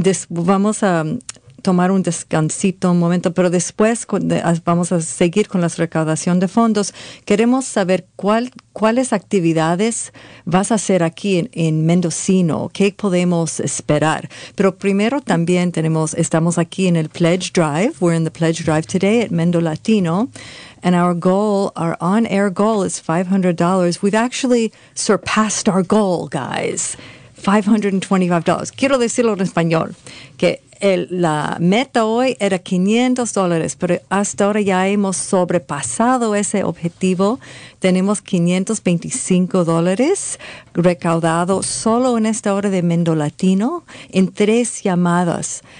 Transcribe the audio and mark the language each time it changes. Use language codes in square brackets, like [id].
[es] vamos a tomar un descansito un momento, pero después vamos a seguir con la recaudación de fondos. Queremos saber cuáles actividades vas a hacer aquí en Mendocino, qué podemos esperar. Pero primero también estamos aquí en el Pledge Drive. [en] We're in the Pledge Drive today at Mendo Latino. And our goal, our on-air goal is $500. We've actually surpassed our goal, guys. $525. [es] Quiero decirlo en español, que la meta hoy era $500, pero hasta ahora ya hemos sobrepasado ese objetivo. Tenemos $525 recaudado solo en esta hora de Mendo Latino en tres llamadas.